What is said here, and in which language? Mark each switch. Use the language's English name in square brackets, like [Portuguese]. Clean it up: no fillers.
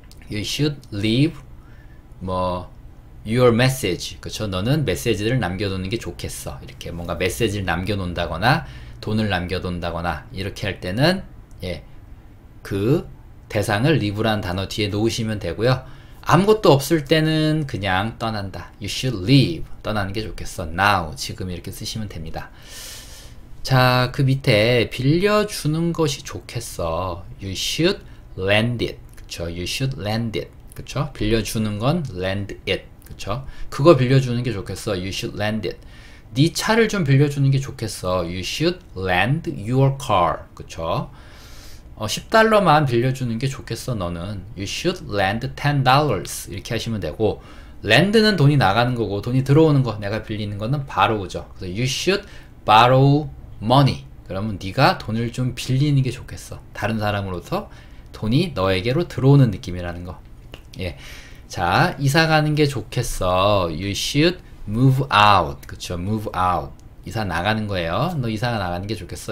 [English] You should leave, 뭐, your message. [Korean] 그쵸? 너는 메시지를 남겨두는 게 좋겠어. 이렇게 뭔가 메시지를 남겨놓는다거나, 돈을 남겨둔다거나, 이렇게 할 때는, 예, 그 대상을 leave라는 단어 뒤에 놓으시면 되고요. 아무것도 없을 때는 그냥 떠난다. [English] You should leave. [Korean] 떠나는 게 좋겠어. [English] Now. [Korean] 지금 이렇게 쓰시면 됩니다. 자, 그 밑에 빌려주는 것이 좋겠어. [English] You should lend it. [Korean] 그쵸? [English] You should lend it. 그쵸? [Korean] 빌려주는 건 [English] lend it. [Korean] 그쵸? 그거 빌려주는 게 좋겠어. [English] You should lend it. [Korean] 네 차를 좀 빌려주는 게 좋겠어. [English] You should lend your car. [Korean] 그쵸? 10달러만 빌려주는 게 좋겠어. 너는. [English] You should lend $10. [Korean] 이렇게 하시면 되고, lend는 돈이 나가는 거고, 돈이 들어오는 거, 내가 빌리는 거는 borrow죠. 그래서 [English] you should borrow money. [Korean] 그러면 네가 돈을 좀 빌리는 게 좋겠어. 다른 사람으로서 돈이 너에게로 들어오는 느낌이라는 거. 예. 자, 이사 가는 게 좋겠어. [English] You should move out. [Korean] 그쵸? [English] Move out. [Korean] 이사 나가는 거예요. 너 이사 나가는 게 좋겠어.